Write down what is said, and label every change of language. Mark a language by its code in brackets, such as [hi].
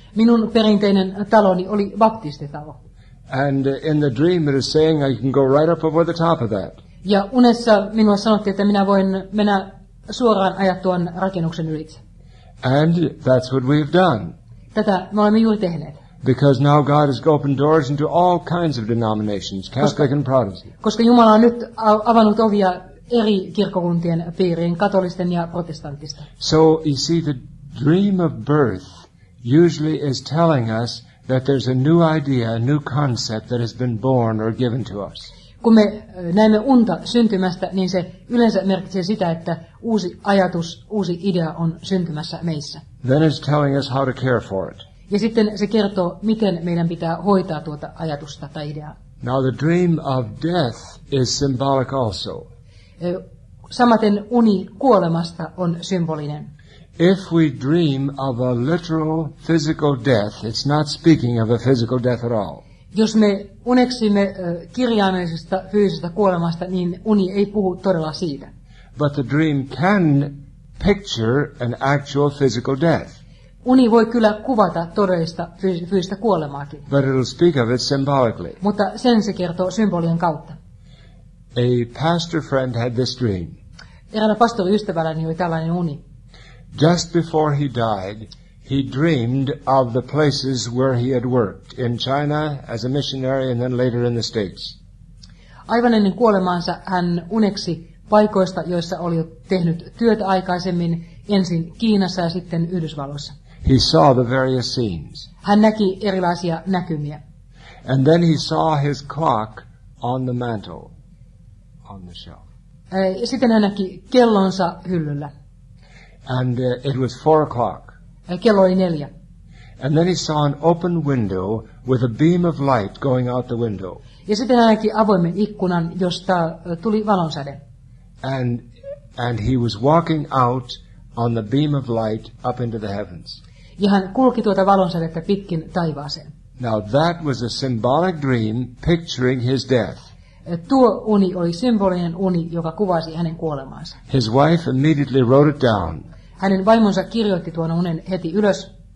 [fi] Minun perinteinen taloni oli baptistitalo. [en] And in the dream it is saying I can go right up over the top of that. [fi] Ja unessa minua sanottiin, että minä voin mennä suoraan ajattuan rakennuksen ylitse. [en] And that's what we've done. [fi] Tätä me olemme juuri tehneet. [en] Because now God has opened doors into all kinds of denominations, Catholic and Protestant. [fi] Koska Jumala on nyt avannut ovia eri kirkkokuntien piiriin, katolisten ja protestantista. [en] So you see, the dream of birth usually is telling us that there's a new idea, a new concept that has been born or given to us. [fi] Kun me näemme unta syntymästä, niin se yleensä merkitsee sitä, että uusi ajatus, uusi idea on syntymässä meissä. [en] Then it's telling us how to care for it. [fi] Ja sitten se kertoo, miten meidän pitää hoitaa tuota ajatusta tai ideaa. [en] Now the dream of death is symbolic also. [fi] Samaten uni kuolemasta on symbolinen. [en] If we dream of a literal physical death, it's not speaking of a physical death at all. [fi] Jos me uneksimme kirjaimellisesta fyysisestä kuolemasta, niin uni ei puhu todella siitä. [en] But the dream can picture an actual physical death. [fi] Uni voi kyllä kuvata todellista fyysistä kuolemaakin. [en] But it'll speak of it symbolically. [fi] Mutta sen se kertoo symbolien kautta. [en] A pastor friend had this dream. [fi] Eräällä pastoriystävälläni oli tällainen uni. [en] Just before he died, he dreamed of the places where he had worked, in China as a missionary and then later in the States. [fi] Aivan ennen kuolemaansa hän uneksi paikoista, joissa oli tehnyt työtä aikaisemmin, ensin Kiinassa ja sitten Yhdysvalloissa. [en] He saw the various scenes. [fi] Hän näki erilaisia näkymiä. [en] And then he saw his clock on the mantle, on the shelf. [fi] Sitten hän näki kellonsa hyllyllä. [en] And it was 4 o'clock. [fi] Kello oli 4. [en] And then he saw an open window with a beam of light going out the window. [fi] Ja sitten hän näki avoimen ikkunan, josta tuli valonsäde. [en] And he was walking out on the beam of light up into the heavens. [fi] Ja hän kulki tuota valonsädettä pitkin taivaaseen. [en] Now that was a symbolic dream picturing his death. [fi] Tuo uni oli symbolinen uni, joka kuvasi hänen kuolemaansa. [en] His wife immediately wrote it down. [fi] Hänen vaimonsa kirjoitti tuon unen heti ylös.